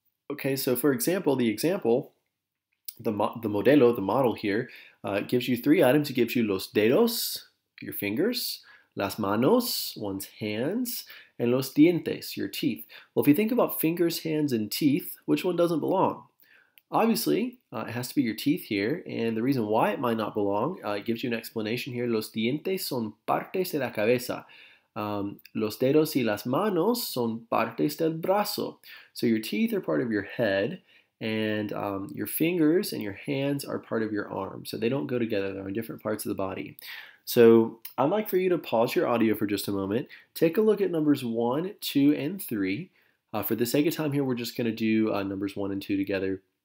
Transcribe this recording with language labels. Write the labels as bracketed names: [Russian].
[English] Okay, so for example, the model here, gives you three items. It gives you los dedos, your fingers, las manos, one's hands, and los dientes, your teeth. Well, if you think about fingers, hands, and teeth, which one doesn't belong? Obviously, it has to be your teeth here, and the reason why it might not belong, it gives you an explanation here. [Spanish] Los dientes son partes de la cabeza. Los dedos y las manos son partes del brazo. [English] So your teeth are part of your head, and your fingers and your hands are part of your arm. So they don't go together. They're on different parts of the body. So I'd like for you to pause your audio for just a moment. Take a look at numbers 1, 2, and 3. For the sake of time here, we're just going to do numbers 1 and 2 together.